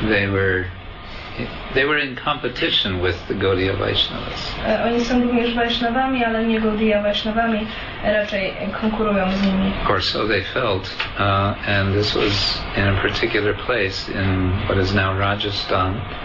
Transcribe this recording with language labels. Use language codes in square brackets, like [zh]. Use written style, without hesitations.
[en] They were in competition with the Gaudiya Vaishnavas. [pl] Oni są również Vaishnavami, ale nie Gaudiya Vaishnavami, raczej konkurują z nimi. [en] Of course, so they felt, and this was in a particular place in what is now Rajasthan.